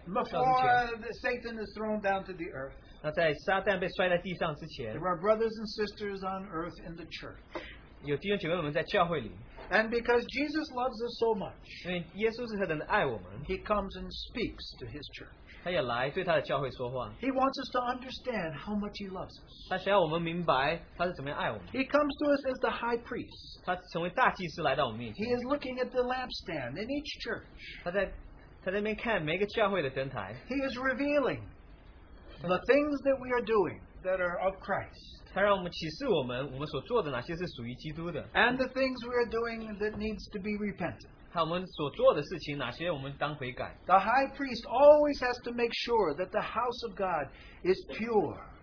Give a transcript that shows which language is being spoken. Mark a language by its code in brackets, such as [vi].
[en] before Satan is thrown down to the earth, [zh] 那在撒旦被摔在地上之前, [en] there are brothers and sisters on earth in the church. [zh] 有弟兄姐妹们在教会里, [en] and because Jesus loves us so much, [zh] 因为耶稣是他的爱我们, [en] he comes and speaks to his church. [zh] 他也来对他的教会说话, [en] he wants us to understand how much he loves us. [zh] 他想要我们明白他是怎么样爱我们, [en] he comes to us as the high priest. [zh] 他成为大祭司来到我们面前, [en] he is looking at the lampstand in each church. [zh] 他在那边看每个教会的灯台, [en] he is revealing the things that we are doing that are of Christ. [zh] 他让我们启示我们,我们所做的哪些是属于基督的, [en] and the things we are doing that needs to be repented. [zh] 我们所做的事情,哪些我们当悔改。 [en] The high priest always has to make sure that the house of God is pure.